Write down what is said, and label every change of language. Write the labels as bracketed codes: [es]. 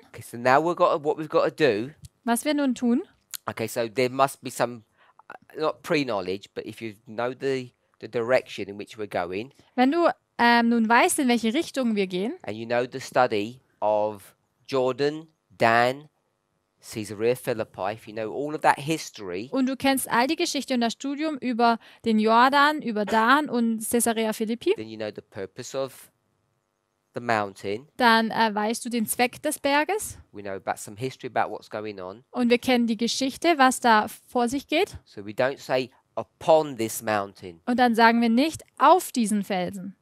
[en] Okay, so now we've got what we've got to do. [de] Was wir nun tun? [en] Okay, so there must be some, not pre-knowledge, but if you know the direction in which we're going. [de] Wenn du nun weißt, in welche Richtung wir gehen. [en] And you know the study of Jordan, Dan, Caesarea Philippi, if you know all of that history. [de] Und du kennst all die Geschichte und das Studium über den Jordan, über Dan und Caesarea Philippi. [en] Then you know the purpose of the mountain. [de] Dann weißt du den Zweck des Berges. [en] We know about some history about what's going on. [de] Und wir kennen die Geschichte, was da vor sich geht. [en] So we don't say upon this mountain. [de] Und dann sagen wir nicht auf diesen Felsen.